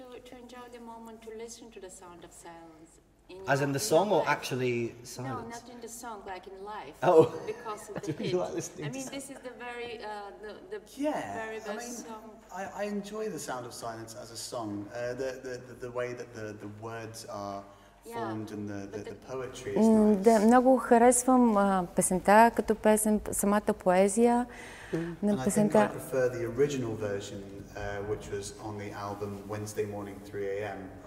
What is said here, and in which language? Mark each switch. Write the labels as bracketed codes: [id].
[en] To enjoy the moment, to listen to the sound of silence. As in the song or actually silence? No, not in the song, like in life. Oh. Because of the pitch. This is the very song. I enjoy the sound of silence as a song. The way that the words are [bg] Да, много харесвам песента като песен, самата поезия на песента. [en] I prefer the original version, which was on the album Wednesday Morning 3 AM.